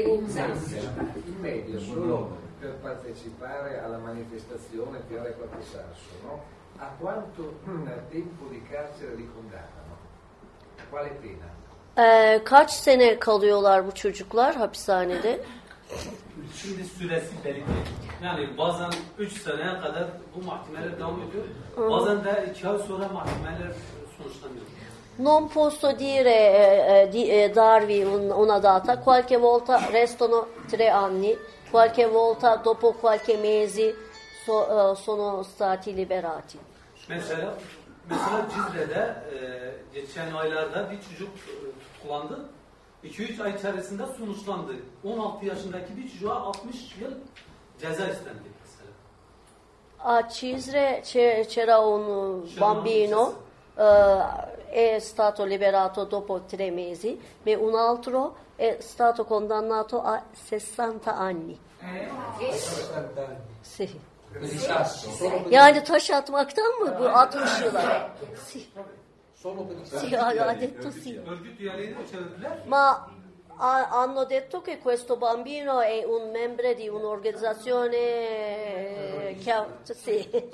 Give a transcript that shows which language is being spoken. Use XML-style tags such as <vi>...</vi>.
<it>In media solo per partecipare alla manifestazione Piare Qualche Sasso, no? A quanto tempo di carcere li condannano? A quale pena?</it> <tr>Kaç sene kalıyorlar bu çocuklar hapishanede? Şimdi süresi belli değil. Yani bazen 3 seneye kadar bu mahkemeler devam ediyor. Bazen de 2 ay sonra mahkemeler sonuçlanıyor.</tr> <it>Non posso dire darvi una data, qualche volta restano 3 anni, qualche volta dopo qualche mese sono stati liberati.</it> <tr>Mesela Cizre'de geçen aylarda bir çocuk tutuklandı. 2-3 ay içerisinde sonuçlandı. 16 yaşındaki bir çocuğa 60 yıl ceza istendi mesela.</tr> <it>A Cizre c'era un bambino è stato liberato dopo 3 mesi, ma un altro è stato condannato a 60 anni. Sì.</it> <tr>Yani taş atmaktan mı bu 60 yıla?</tr> <it>Sì. Solo detto sì. Ma hanno detto che questo bambino è un membro di un'organizzazione che sì.</it>